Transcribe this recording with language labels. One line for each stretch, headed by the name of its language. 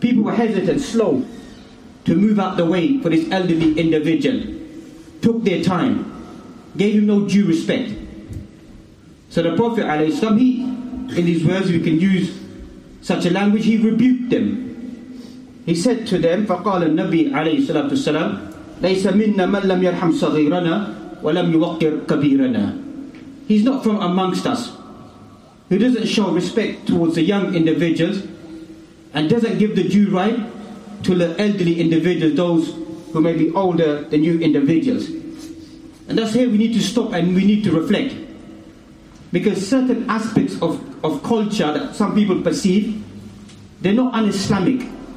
English: People were hesitant, slow to move out the way for this elderly individual. Took their time, gave him no due respect. So the Prophet alaihi wasallam, he, in his words, we can use such a language, he rebuked them. He said to them,
Arabic: فَقَالَ النَّبِيُّ عَلَيْهِ الصَّلَاةُ وَالسَّلَامُ لَيْسَ مِنَّا مَنْ لَمْ يَرْحَمْ صَغِيرَنَا وَلَمْ يُوَقِّرْ كَبِيرَنَا.
English: He's not from amongst us who doesn't show respect towards the young individuals and doesn't give the due right to the elderly individuals, those who may be older than you individuals. And that's here we need to stop and we need to reflect. Because certain aspects of culture that some people perceive, they're not un-Islamic.